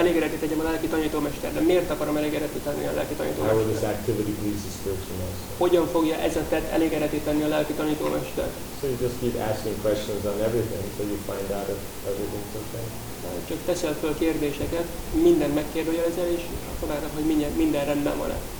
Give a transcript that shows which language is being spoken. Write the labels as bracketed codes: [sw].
[hu] Elégedetté tegyem a lelki tanítómester, de miért akarom elégedetté tenni a lelki tanítómester? [en] How will this activity please the spiritual master? [hu] Hogyan fogja ez a tett elégedetté tenni a lelki tanítómester? [en] So you just keep asking questions on everything until you find out if everything's okay. [hu] Csak teszel föl kérdéseket, minden megkérdőjelezel, és akkor látod, hogy minden rendben van-e.